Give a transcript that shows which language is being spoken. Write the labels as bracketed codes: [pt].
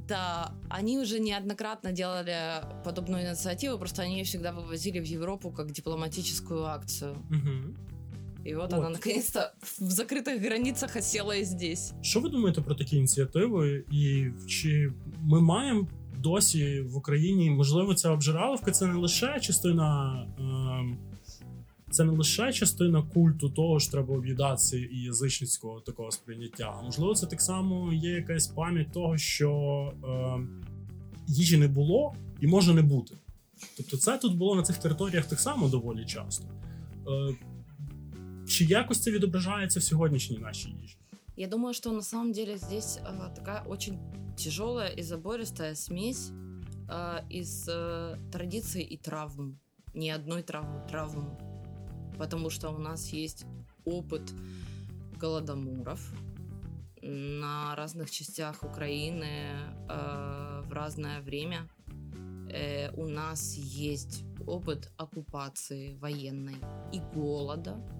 [ru] Да, они уже неоднократно делали подобную инициативу, просто они ее всегда вывозили в Европу как дипломатическую акцию. Угу. И вот она наконец-то в закрытых границах осела и здесь. Что вы думаете про такие инициативы? И чи мы маем досі в Украине, возможно, это обжираловка, это [uk] не лише частина... Це не лише частина культу того, що треба об'їдатися і язичницького такого сприйняття. Можливо, це так само є якась пам'ять того, що їжі не було і може не бути. Тобто це тут було на цих територіях так само доволі часто. Чи якось це відображається в сьогоднішній нашій їжі? [ru] Я думаю, що на самом деле здесь [uk] така дуже тяжела і [ru] забористая смесь [uk] із традицій і травм. Не одної травм. [ru] Потому что у нас есть опыт голодоморов на разных частях Украины в разное время. У нас есть опыт оккупации военной и голода.